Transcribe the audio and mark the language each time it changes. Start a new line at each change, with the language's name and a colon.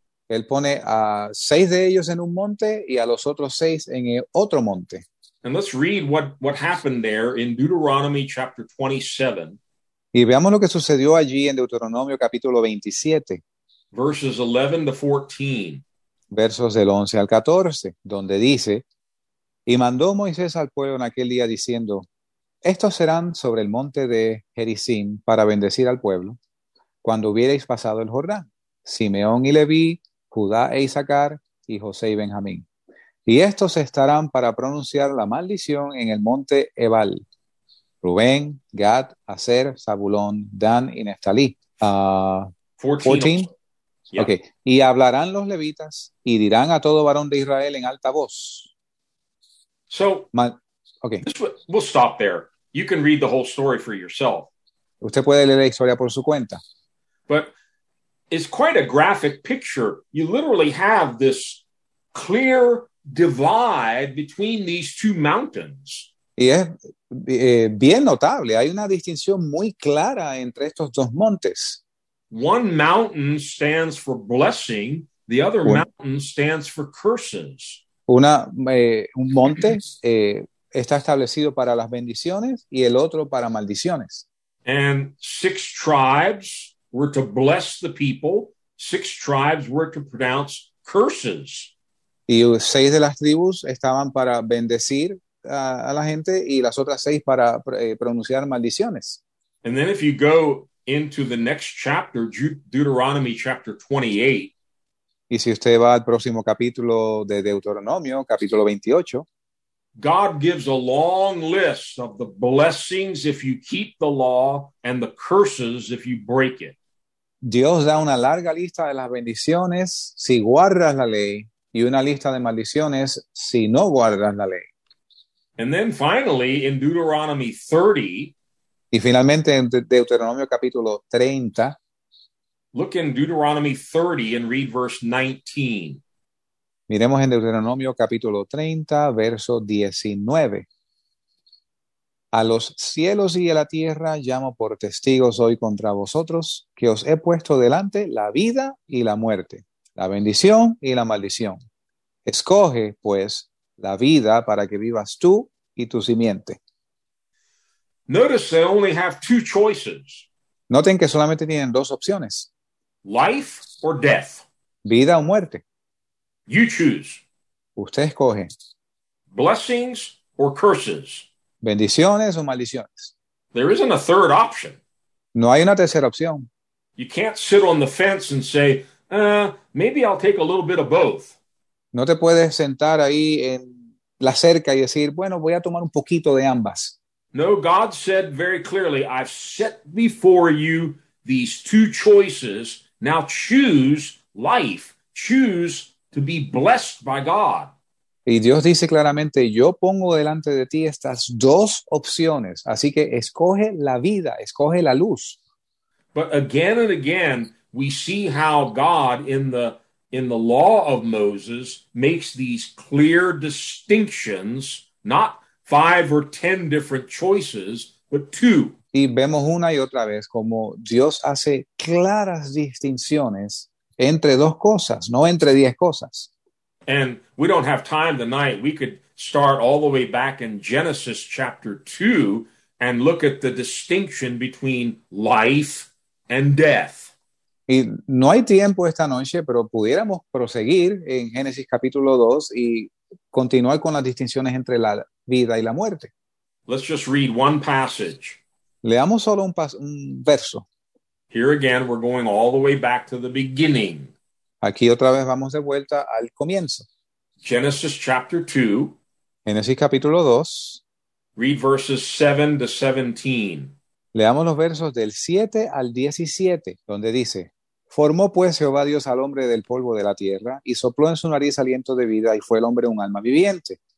Spanish: Él pone a 6 de ellos en un monte y a los otros 6 en otro monte.
English: And let's read what happened there in Deuteronomy chapter 27.
Spanish: Y veamos lo que sucedió allí en Deuteronomio capítulo 27.
English: Verses 11 to 14.
Spanish: Versos del 11 al 14, donde dice, y mandó Moisés al pueblo en aquel día diciendo, estos serán sobre el monte de Gerizim para bendecir al pueblo, cuando hubiereis pasado el Jordán, Simeón y Leví, Judá e Isaacar, y José y Benjamín. Y estos estarán para pronunciar la maldición en el monte Ebal, Rubén, Gad, Aser, Zabulón, Dan y Neftalí. 14.
English: Yeah. Okay.
Spanish: Y hablarán los levitas y dirán a todo varón de Israel en alta voz.
English: So, okay. We'll stop there. You can read the whole story for yourself.
Spanish: Usted puede leer la historia por su cuenta.
English: But it's quite a graphic picture. You literally have this clear divide between these two mountains.
Spanish: Y es bien notable. Hay una distinción muy clara entre estos dos montes.
English: One mountain stands for blessing, the other mountain stands for curses.
Spanish: Un monte está establecido para las bendiciones y el otro para maldiciones.
English: And 6 tribes were to bless the people, 6 tribes were to pronounce curses.
Spanish: Y seis de las tribus estaban para bendecir a la gente y las otras seis para pronunciar maldiciones.
English: And then if you go into the next chapter, Deuteronomy chapter 28,
Spanish: Y si usted va al próximo capítulo de Deuteronomio, capítulo 28.
English: God gives a long list of the blessings if you keep the law and the curses if you break it.
Spanish: Dios da una larga lista de las bendiciones si guardas la ley y una lista de maldiciones si no guardas la ley.
English: And then finally, in Deuteronomy 30,
Spanish: Y finalmente en Deuteronomio capítulo 30.
English: look in Deuteronomy 30 and read verse 19.
Spanish: Miremos en Deuteronomio capítulo 30, verso 19. A los cielos y a la tierra llamo por testigos hoy contra vosotros, que os he puesto delante la vida y la muerte, la bendición y la maldición. Escoge, pues, la vida para que vivas tú y tu simiente.
English: Notice they only have two choices:
Spanish: Noten que solamente tienen dos opciones:
English: life or death.
Spanish: vida o muerte.
English: You choose.
Spanish: Usted escoge
English: Blessings or curses.
Spanish: bendiciones o maldiciones.
English: There isn't a third option.
Spanish: No hay una tercera opción.
English: You can't sit on the fence and say, maybe I'll take a little bit of both.
Spanish: No te puedes sentar ahí en la cerca y decir, bueno, voy a tomar un poquito de ambas.
English: No, God said very clearly, I've set before you these two choices. Now choose life. Choose to be blessed by God.
Spanish: Y Dios dice claramente, yo pongo delante de ti estas dos opciones, así que escoge la vida, escoge la luz.
English: But again and again, we see how God in the law of Moses makes these clear distinctions, not 5 or 10 different choices, but two.
Spanish: Y vemos una y otra vez cómo Dios hace claras distinciones entre dos cosas, no entre 10 cosas.
English: And we don't have time tonight. We could start all the way back in Genesis chapter 2 and look at the distinction between life and death.
Spanish: Y no hay tiempo esta noche, pero pudiéramos proseguir en Génesis capítulo 2 y continuar con las distinciones entre la vida y la muerte.
English: Let's just read one passage.
Spanish: Leamos solo un verso.
English: Here again, we're going all the way back to the beginning.
Spanish: Aquí otra vez vamos de vuelta al comienzo.
English: Genesis chapter 2,
Spanish: Génesis capítulo 2.
English: read verses 7 to 17.
Spanish: Leamos los versos del 7 al 17, donde dice: Formó pues Jehová Dios al hombre del polvo de la tierra, y sopló en su nariz aliento de vida, y fue el hombre un alma viviente.